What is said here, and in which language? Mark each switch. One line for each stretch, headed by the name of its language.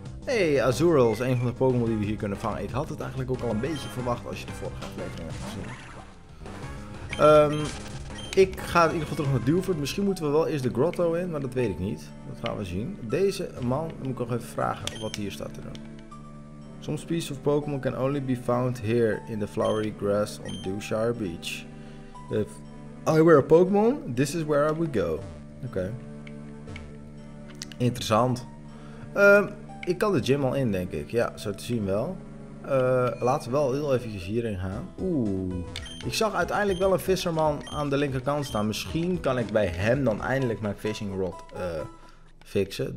Dutch: Hey, Azurill is een van de Pokémon die we hier kunnen vangen. Ik had het eigenlijk ook al een beetje verwacht als je de vorige aflevering hebt gezien. Ik ga in ieder geval terug naar Dewford. Misschien moeten we wel eerst de grotto in, maar dat weet ik niet. Dat gaan we zien. Deze man, moet ik nog even vragen wat hier staat te doen.
English: Some species of Pokémon can only be found here in the flowery grass on Dewshire Beach. If I were a Pokémon, this is where I would go.
Dutch: Oké. Interessant. Ik kan de gym al in, denk ik. Ja, zo te zien wel. Laten we wel heel eventjes hierin gaan. Ik zag uiteindelijk wel een visserman aan de linkerkant staan. Misschien kan ik bij hem dan eindelijk mijn
English: fishing rod
Dutch: fixen.